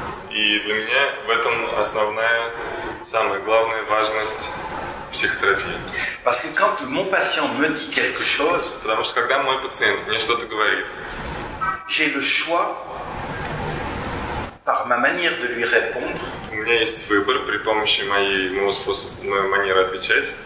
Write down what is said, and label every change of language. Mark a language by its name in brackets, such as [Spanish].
[Russian] И для меня в этом основная, самая главная важность психотерапии. [French] Parce que quand mon patient me dit quelque chose. [Russian] Потому что когда мой пациент мне что-то говорит. [French] J'ai le choix par ma manière de lui répondre. [Russian] У меня есть выбор при помощи моей манеры отвечать.